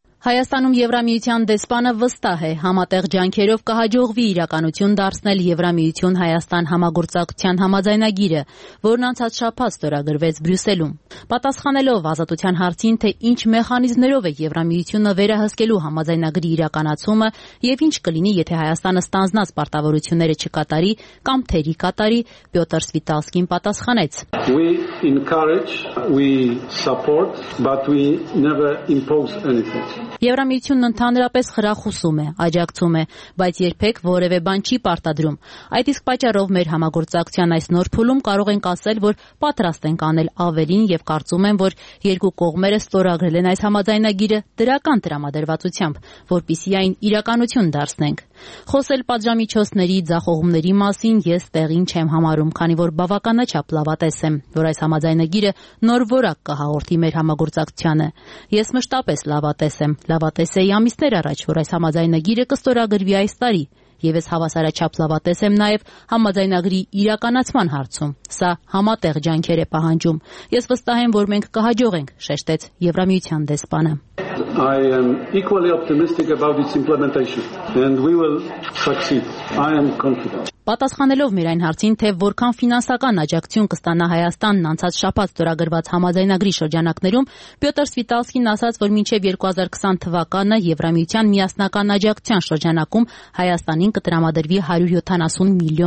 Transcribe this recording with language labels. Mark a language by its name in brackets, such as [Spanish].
[Armenian] Հայաստանում Եվրամիության դեսպանը վստահ է, համատեղ ջանքերով կհաջողվի իրականություն դարձնել Եվրամիություն-Հայաստան համագործակցության համաձայնագիրը, որն անցած շաբաթ ստորագրվեց Բրյուսելում։ Պատասխանելով ազատության հարցին, թե ինչ մեխանիզմներով է Եվրամիությունը վերահսկելու համաձայնագրի իրականացումը և ինչ կլինի, եթե Հայաստանը ստանձնած պարտավորությունները չկատարի կամ թերի կատարի, Պյոտր Սվիտալսկին պատասխանեց. [English] We encourage, we support, but we never impose anything. [Armenian] Եվրամիությունն ընդհանրապես խրախուսում է, աջակցում է, բայց երբեք որևէ բան չի պարտադրում։ Այդ իսկ պատճառով մեր համագործակցության այս նոր փուլում կարող ենք ասել, որ պատրաստ ենք անել ավելին և կարծում եմ, որ երկու կողմերը ստորագրել են այս համաձայնագիրը դրական տրամադրվածությամբ, որպիսի այն իրականություն դարձնենք։ Խոսել պատժամիջոցների ձախողումների մասին ես տեղին չեմ համարում, քանի որ բավականաչափ լավատես եմ, որ այս համաձայնագիրը նոր որակ կհաղորդի մեր համագործակցությանը։ Ես մշտապես լավատես եմ, լավատես էի ամիսներ առաջ, որ այս համաձայնագիրը կստորագրվի այս տարի, և ես հավասարաչափ լավատես եմ նաև համաձայնագրի իրականացման հարցում։ Սա համատեղ ջանքեր է պահանջում։ Ես վստահ եմ, որ մենք կհաջողենք, շեշտեց Եվրամիության դեսպանը։ [English] I am equally optimistic about its implementation and we will succeed. I am confident. [Armenian] Պատասխանելով մեր այն հարցին, թե որքան ֆինանսական աջակցություն կստանա Հայաստանն անցած շաբաթ ստորագրված համաձայնագրի շրջանակներում, Պյոտր Սվիտալսկին ասաց, որ մինչև 2020 թվականը Եվրամիության միասնական աջակցության շրջանակում Հայաստանին կտրամադրվի 170